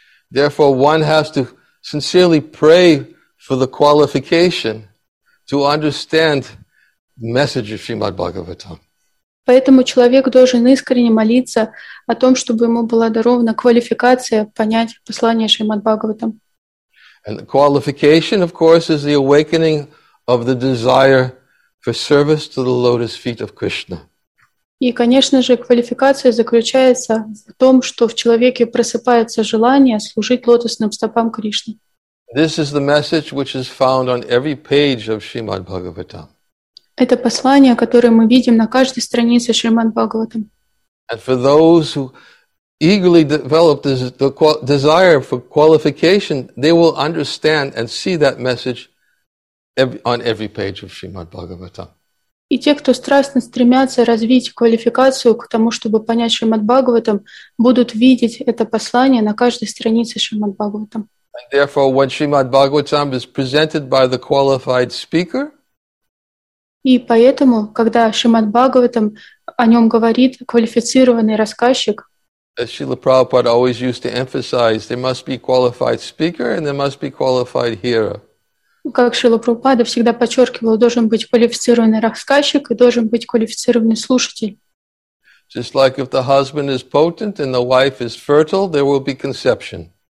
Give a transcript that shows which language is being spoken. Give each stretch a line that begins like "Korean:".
English: Therefore, one has to sincerely pray for the qualification to understand the message of Srimad Bhagavatam.
Russian: Поэтому человек должен искренне молиться о том, чтобы ему была дарована квалификация понять послание Шримад Бхагаватам.
English: And the qualification, of course, is the awakening of the desire for service to the lotus feet of Krishna.
Russian: И, конечно же, квалификация заключается в том, что в человеке просыпается желание служить лотосным стопам Кришны.
English: This is the message which is found on every page of Srimad Bhagavatam.
Russian: Это послание, которое мы видим на каждой странице Шримад Бхагаватам.
English: And for those who eagerly develop the desire for qualification, they will understand and see that message on every page of Srimad Bhagavatam.
Russian: И те, кто страстно стремятся развить квалификацию к тому, чтобы понять Шримад Бхагаватам, будут видеть это послание на каждой странице Шримад Бхагаватам.
English: And therefore, when Srimad Bhagavatam is presented by the qualified speaker,
Russian: и поэтому, когда Шримад Бхагаватам о нем говорит квалифицированный рассказчик,
English: as Srila Prabhupada always used to emphasize, there must be qualified speaker and there must be qualified hearer.
Russian: Как Шрила Прабхупада всегда подчеркивал, должен быть квалифицированный рассказчик и должен быть квалифицированный слушатель.
English: Just like if the husband is potent and the wife is fertile, there will be conception.